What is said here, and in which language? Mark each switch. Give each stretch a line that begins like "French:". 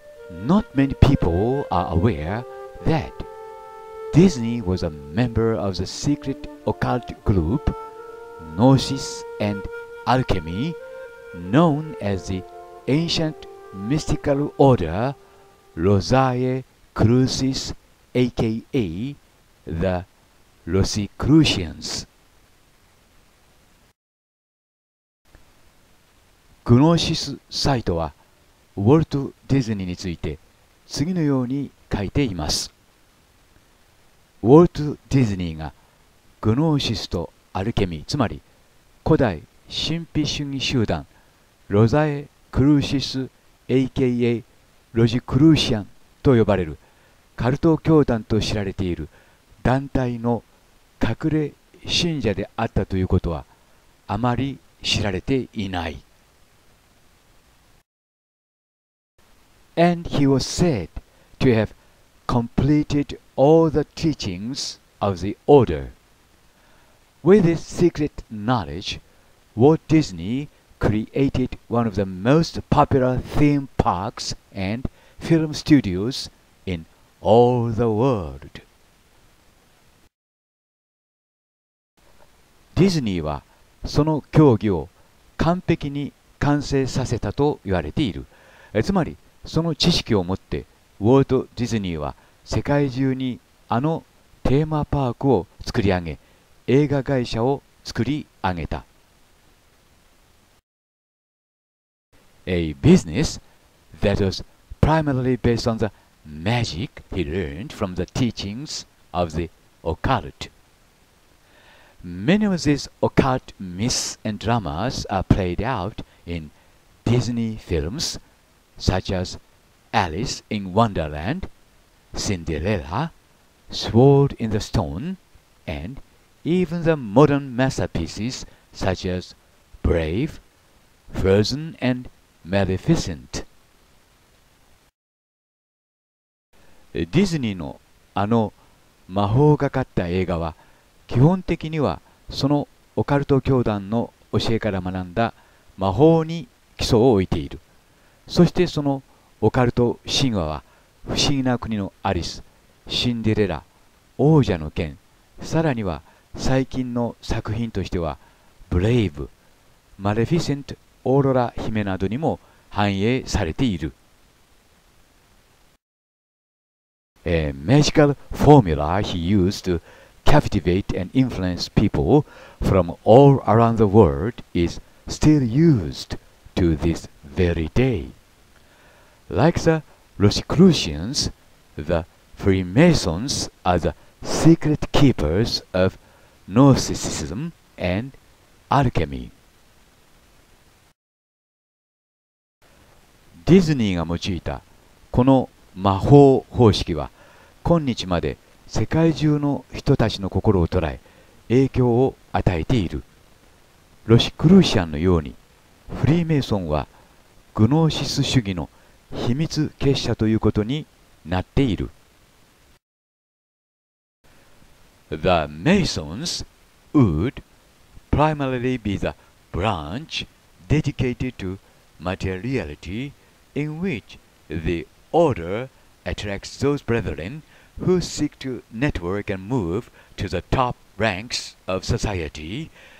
English: Not many people are aware that Disney was a member of the secret occult group Gnosis and Alchemy, known as the Ancient Mystical Order Rosae Crucis, aka the Rosicrucians.
Japanese: グノーシスサイトはウォルト・ディズニーについて次のように書いています。ウォルト・ディズニーがグノーシスとアルケミー、つまり古代神秘主義集団ロザエ・クルーシス aka ロジクルーシアンと呼ばれるカルト教団と知られている団体の隠れ信者であったということはあまり知られていない。
English: And he was said to have completed all the teachings of the order. With this secret knowledge, Walt Disney created one of the most popular theme parks and film studios in all the world.
Japanese: ディズニーはその競技を完璧に完成させたと言われている。つまりその知識を持ってウォルト・ディズニーは世界中にあのテーマパークを作り上げ、映画会社を作り上げた。
English: A business that was primarily based on the magic he learned from the teachings of the occult. Many of these occult myths and dramas are played out in Disney filmsSuch as Alice in Wonderland, Cinderella, Sword in the Stone, and even the modern masterpieces such as Brave, Frozen, and Maleficent.
Japanese: ディズニーのあの魔法がかった映画は基本的にはそのオカルト教団の教えから学んだ魔法に基礎を置いている。そしてそのオカルト神話は不思議な国のアリス、シンデレラ、王者の剣、さらには最近の作品としてはブレイブ、マレフィセント、オーロラ姫などにも反映されている。
English: A magical formula he used to captivate and influence people from all around the world is still used to this very day. Like the Rosicrucians, the Freemasons are the secret keepers of Gnosticism and Alchemy.
Japanese: ディズニーが用いたこの魔法方式は今日まで世界中の人たちの心を捉え影響を与えている。ロシクルーシアンのようにフリーメイソンはグノーシス主義の秘密結社ということになっている。
English: The Masons would primarily be the branch dedicated to materiality in which the order attracts those brethren who seek to network and move to the top ranks of society,